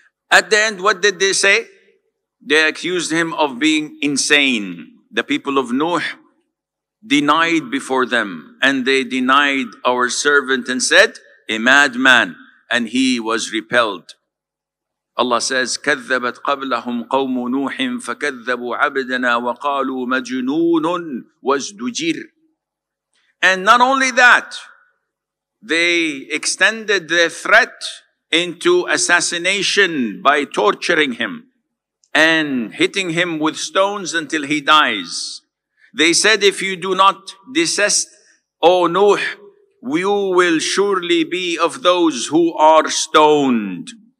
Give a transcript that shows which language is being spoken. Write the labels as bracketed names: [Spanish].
[English] At the end, what did they say? They accused him of being insane. The people of Nuh denied before them and they denied our servant and said, a madman and he was repelled. Allah says, [Arabic] كَذَّبَتْ قَبْلَهُمْ قَوْمُ نُوحٍ فَكَذَّبُوا عَبْدَنَا وَقَالُوا مَجْنُونٌ وَازْدُجِرٌ. [English] And not only that, they extended their threat into assassination by torturing him and hitting him with stones until he dies. They said, if you do not desist, O Nuh, you will surely be of those who are stoned.